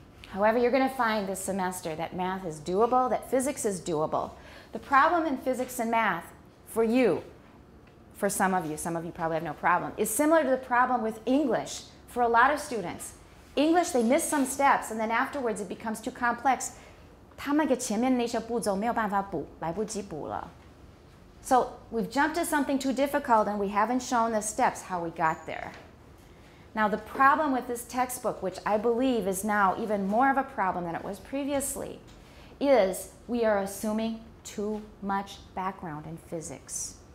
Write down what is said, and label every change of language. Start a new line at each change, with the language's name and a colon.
English: However, you're going to find this semester that math is doable, that physics is doable. The problem in physics and math for you, for some of you probably have no problem, is similar to the problem with English for a lot of students. English, they miss some steps and then afterwards it becomes too complex.
Chinese: 他们给前面那些步骤没有办法补，来不及补了。
English: So we've jumped to something too difficult and we haven't shown the steps how we got there. Now the problem with this textbook, which I believe is now even more of a problem than it was previously, is we are assuming too much background in physics.